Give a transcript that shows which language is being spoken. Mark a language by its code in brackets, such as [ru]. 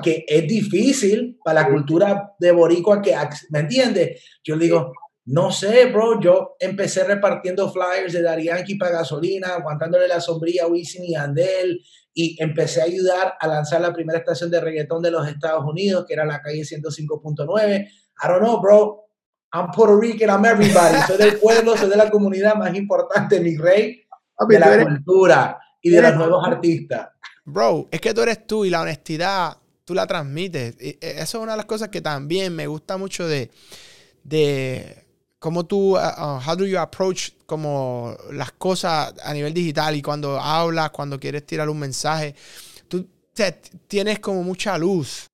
[es] Que es difícil para la cultura de boricua que, ¿me entiendes? Yo digo, no sé, bro, yo empecé repartiendo flyers de Daddy Yankee para gasolina, aguantándole la sombrilla a Wisin y Yandel, y empecé a ayudar a lanzar la primera estación de reggaetón de los Estados Unidos, que era la calle 105.9. [en] I don't know, bro, I'm Puerto Rican, I'm everybody. [es] Soy del pueblo, soy de la comunidad más importante, mi rey, de la cultura y de los nuevos artistas. Bro, es que tú eres tú y la honestidad tú la transmites. Y eso es una de las cosas que también me gusta mucho de cómo tú, [en] how do you approach [es] como las cosas a nivel digital y cuando hablas, cuando quieres tirar un mensaje, tú tienes como mucha luz.